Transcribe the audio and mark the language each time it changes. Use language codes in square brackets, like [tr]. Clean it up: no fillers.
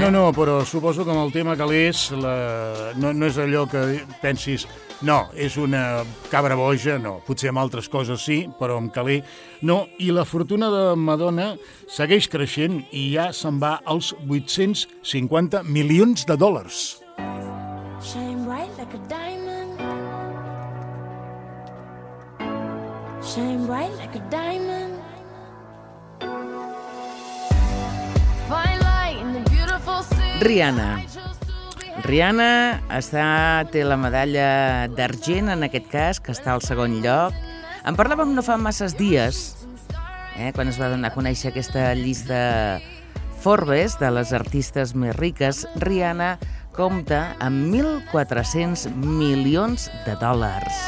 [ca] No, però suposo que amb el tema que l'és, no és allò que pensis... No, és una cabra boja, no. Potser amb altres coses sí, però amb calé, no. I la fortuna de Madonna segueix creixent i ja se'n va als 850 milions de dòlars. [en] Shine bright like a diamond. Shine bright like a diamond. Find light in the beautiful city. [ca] Rihanna. Rihanna té la medalla d'argent, en aquest cas, que està al segon lloc. En parlàvem no fa masses dies, quan es va donar a conèixer aquesta llista Forbes de les artistes més riques. Rihanna compta amb 1.400 milions de dòlars.